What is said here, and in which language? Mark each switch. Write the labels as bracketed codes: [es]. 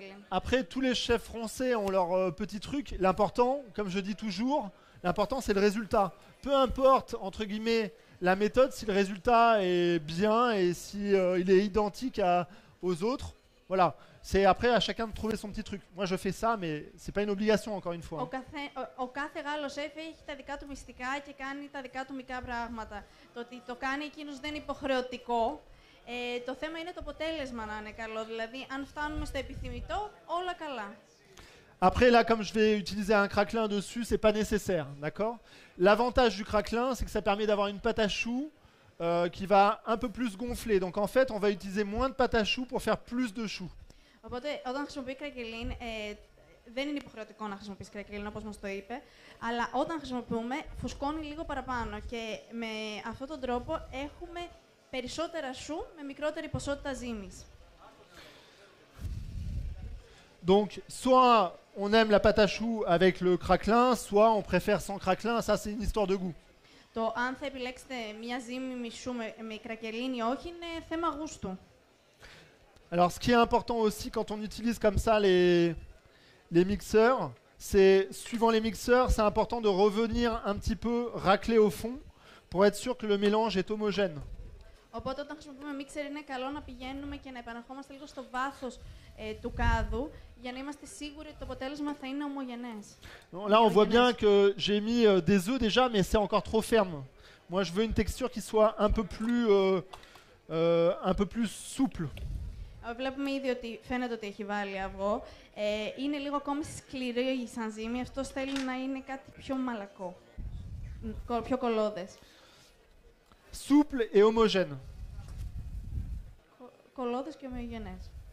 [fr] Après, tous les chefs français ont leur petit truc. L'important, comme je dis toujours, l'important c'est le résultat. Peu importe, entre guillemets, la méthode, si le résultat est bien et si il est identique aux autres, voilà. C'est après à chacun de trouver son petit truc. Moi je fais ça, mais ce n'est pas une obligation encore une fois. [el] Ο κάθε Γάλλος chef έχει τα δικά του μυστικά και κάνει τα δικά του μικρά πράγματα. Το ότι το κάνει εκείνος δεν είναι υποχρεωτικό. Το θέμα είναι το αποτέλεσμα να είναι καλό. Δηλαδή, αν φτάνουμε στο επιθυμητό, όλα καλά. [fr] Après là, comme je vais utiliser un craquelin dessus, ce n'est pas nécessaire. D'accord? L'avantage du craquelin, c'est que ça permet d'avoir une pâte à choux qui va un peu plus gonfler. Donc en fait, on va utiliser moins de pâte à choux pour faire plus de choux. [el] Οπότε όταν χρησιμοποιεί κρακελίν, δεν είναι υποχρεωτικό να χρησιμοποιείς κρακελίν όπως μας το είπε, αλλά όταν χρησιμοποιούμε φουσκώνει λίγο παραπάνω και με αυτόν τον τρόπο έχουμε περισσότερα σού με μικρότερη ποσότητα ζύμης. [fr] Donc soit on aime la pâte à choux avec le craquelin, soit on préfère sans craquelin, ça c'est une histoire de goût. [el] Το αν θα επιλέξετε μια ζύμη με σού με κρακελίν ή όχι είναι θέμα γούστου. [fr] Alors, ce qui est important aussi quand on utilise comme ça les mixeurs, c'est suivant les mixeurs, c'est important de revenir un petit peu racler au fond pour être sûr que le mélange est homogène. [el] Οπότε, όταν χρησιμοποιούμε μίξερ, είναι καλό να πηγαίνουμε και να επαναρχόμαστε λίγο στο βάθος του κάδου για να είμαστε σίγουροι ότι το αποτέλεσμα θα είναι ομογενές. [fr] Là, on voit bien que j'ai mis des œufs déjà, mais c'est encore trop ferme. Moi, je veux une texture qui soit un peu plus souple. [el] Βλέπουμε ήδη ότι φαίνεται ότι έχει βάλει αυγό. Είναι λίγο ακόμη σκληρή η σανζύμη. Αυτό θέλει να είναι κάτι πιο μαλακό. Πιο κολλώδες. [fr] Souple et homogène. [el] Κολλώδες και ομοιογενές.